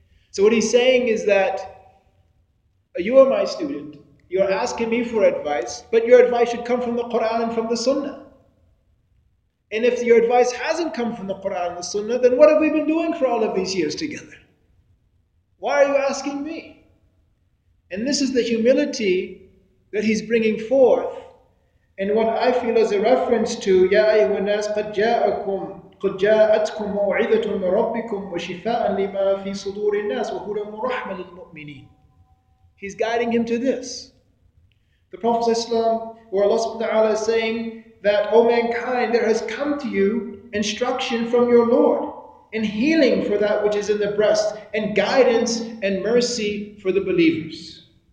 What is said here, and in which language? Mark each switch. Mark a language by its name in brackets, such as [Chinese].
[English] So what he's saying is that you are my student, you're asking me for advice, but your advice should come from the Quran and from the sunnah. And if your advice hasn't come from the Qur'an and the Sunnah, then what have we been doing for all of these years together? Why are you asking me? And this is the humility that he's bringing forth. [Arabic] And what I feel is a reference to, يَا أَيُّهَا النَّاسِ قَدْ جَاءَتْكُمْ مَوْعِذَةٌ مِّن رَبِّكُمْ وَشِفَاءً لِمَا فِي صُدُورِ النَّاسِ وَهُدًى وَرَحْمَةً لِلْمُؤْمِنِينَ. [English] He's guiding him to this. The Prophet ﷺ, or Allah subhanahu wa ta'ala, is saying that, O mankind, there has come to you instruction from your Lord, and healing for that which is in the breast, and guidance and mercy for the believers.